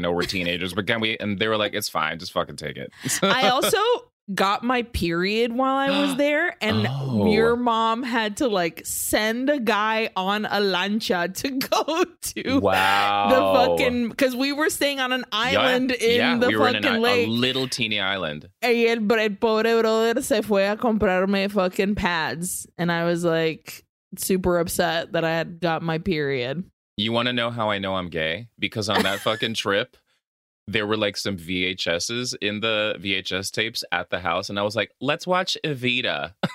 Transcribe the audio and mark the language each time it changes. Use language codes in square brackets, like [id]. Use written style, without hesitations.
[en] I know we're teenagers, but can we? And they were like, it's fine. Just fucking take it. I also got my period while I was there. And your mom had to like send a guy on a lancha to go to the fucking, because we were staying on an island a little teeny island. [es] Y el pobre brother se fue a comprarme [en] fucking pads. And I was like, super upset that I had got my period. You want to know how I know I'm gay? Because on that fucking trip, there were like some VHSs in the VHS tapes at the house. And I was like, let's watch Evita.